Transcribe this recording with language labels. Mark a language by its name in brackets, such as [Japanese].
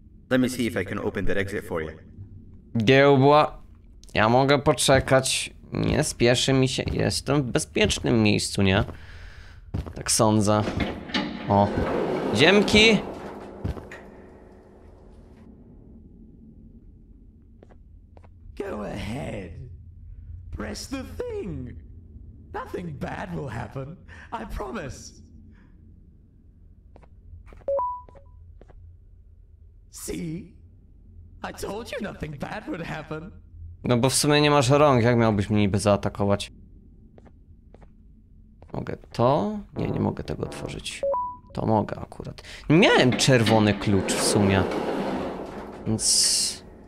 [English] Let me see if I can open that exit for you. [Polish] Diabła. Ja mogę poczekać. Nie spieszy mi się. Jestem w bezpiecznym miejscu, nie? Tak sądzę. Dziemki! [English] Go ahead. Press the thing. Nothing bad will happen. I promise. See? I told you nothing bad would happen. [Polish] No bo w sumie nie masz rąk, jak miałbyś mnie niby zaatakować? Mogę to? Nie, nie mogę tego otworzyć. To mogę akurat. Miałem czerwony klucz w sumie. Więc...